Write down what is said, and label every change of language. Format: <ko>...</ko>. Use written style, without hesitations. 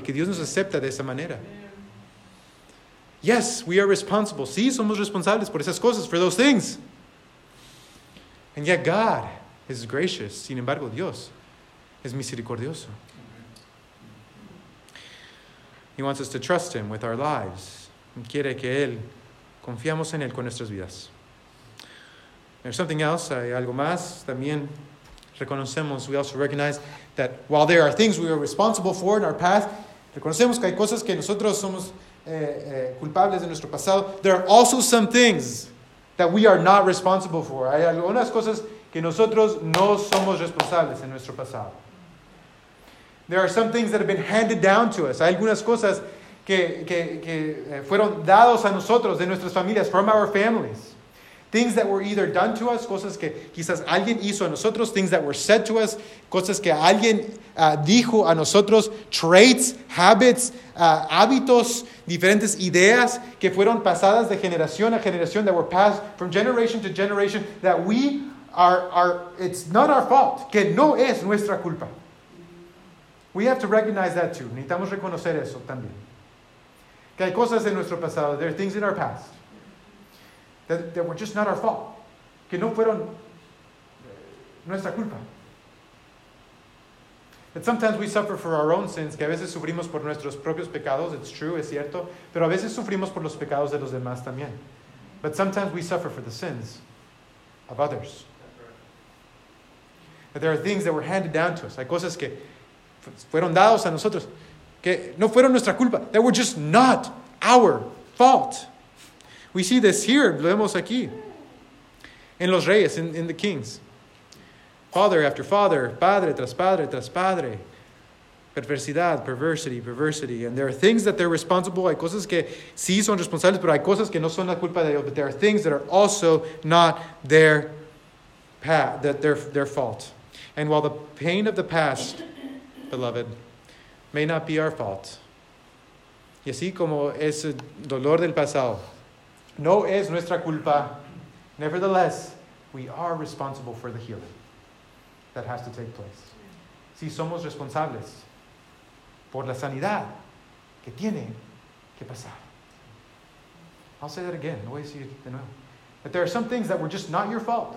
<es>Que Dios nos acepta de esa manera.</es> <en>Yes, we are responsible.</en> <es>Sí, somos responsables por esas cosas,</es> <en>for those things. And yet God is gracious.</en> <es>Sin embargo, Dios es misericordioso.</es> <en>He wants us to trust Him with our lives.</en> <es>Quiere que Él, confiamos en Él con nuestras vidas.</es> <en>There's something else,</en> <es>hay algo más también. Reconocemos,</es> <en>we also recognize that while there are things we are responsible for in our past,</en> <es>reconocemos que hay cosas que nosotros somos culpables de nuestro pasado,</es> <en>there are also some things that we are not responsible for.</en> <es>Hay algunas cosas que nosotros no somos responsables en nuestro pasado.</es> <en>There are some things that have been handed down to us.</en> <es>Hay algunas cosas que fueron dados a nosotros de nuestras familias,</es> <en>from our families. Things that were either done to us,</en> <es>cosas que quizás alguien hizo a nosotros,</es> <en>things that were said to us,</en> <es>cosas que alguien dijo a nosotros,</es> <en>traits, habits,</en> <es>hábitos, diferentes ideas que fueron pasadas de generación a generación,</es> <en>that were passed from generation to generation, that we are it's not our fault,</en> <es>que no es nuestra culpa.</es> <en>We have to recognize that too.</en> <es>Necesitamos reconocer eso también. Que hay cosas en nuestro pasado,</es> <en>there are things in our past. That were just not our fault.</en> <es>Que no fueron nuestra culpa.</es> <en>That sometimes we suffer for our own sins.</en> <es>Que a veces sufrimos por nuestros propios pecados.</es> <en>It's true,</en> <es>es cierto. Pero a veces sufrimos por los pecados de los demás también.</es> <en>But sometimes we suffer for the sins of others. That there are things that were handed down to us.</en> <es>Hay cosas que fueron dados a nosotros. Que no fueron nuestra culpa.</es> <en>That were just not our fault. We see this here,</en> <es>lo vemos aquí, en los reyes,</es> <en>in the kings. Father after father,</en> <es>padre tras padre tras padre. Perversidad,</es> <en>perversity, perversity. And there are things that they're responsible,</en> <es>hay cosas que sí son responsables, pero hay cosas que no son la culpa de ellos,</es> <en>but there are things that are also not their path, that their fault. And while the pain of the past, beloved, may not be our fault,</en> <es>y así como ese dolor del pasado, no es nuestra culpa.</es> <en>Nevertheless, we are responsible for the healing that has to take place.</en> <es>Sí, somos responsables por la sanidad que tiene que pasar.</es> <en>I'll say that again.</en> <es>Lo voy a decir de nuevo.</es> <en>That there are some things that were just not your fault.</en>